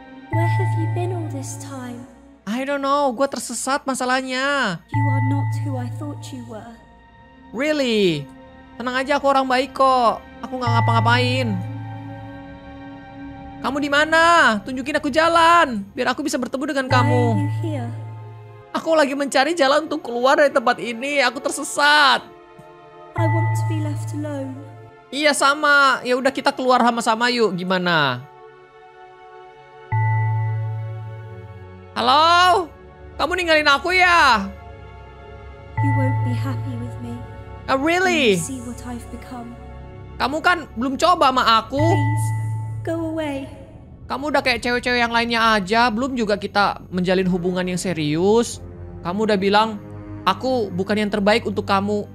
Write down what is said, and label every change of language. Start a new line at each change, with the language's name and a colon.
English: Where have you been all this time? I don't know,
Indonesian: gue tersesat masalahnya.
English: You are not who I thought you were. Really?
Indonesian: Tenang aja, aku orang baik kok. Aku gak ngapa-ngapain. Kamu di mana? Tunjukin aku jalan, biar aku bisa bertemu dengan
English: Why
Indonesian: kamu.
English: Are you here?
Indonesian: Aku lagi mencari jalan untuk keluar dari tempat ini. Aku tersesat.
English: I want to be left alone.
Indonesian: Iya sama. Ya udah kita keluar sama-sama yuk. Gimana? Halo? Kamu ninggalin aku ya?
English: You won't be happy with me. Oh, really? When you see what I've become.
Indonesian: Kamu kan belum coba sama aku.
English: Please, go away.
Indonesian: Kamu udah kayak cewek-cewek yang lainnya aja. Belum juga kita menjalin hubungan yang serius. Kamu udah bilang, aku bukan yang terbaik untuk kamu.